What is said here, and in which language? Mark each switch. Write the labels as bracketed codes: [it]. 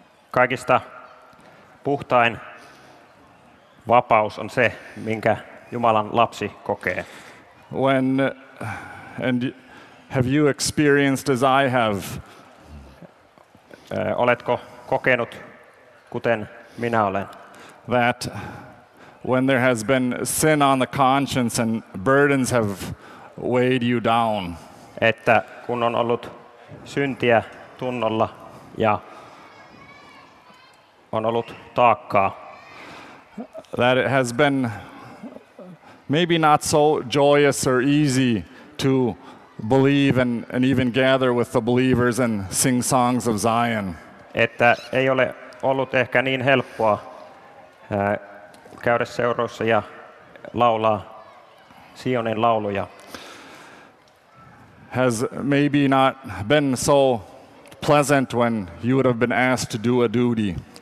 [fi] Kaikista puhtain vapaus on se, minkä Jumalan lapsi kokee. [en] When and have you experienced as I have? [fi] Oletko kokenut kuten minä olen? [en] That when there has been sin on the conscience and burdens have weighed you down. [fi] Että kun on ollut syntiä tunnolla ja on ollut taakkaa. [en] That it has been maybe not so joyous or easy to believe and even gather with the believers and sing songs of Zion. [fi] Että ei ole ollut ehkä niin helppoa käydä seurassa ja laulaa Sionin lauluja. [en] Has maybe not been so pleasant when you would have been asked to do a duty.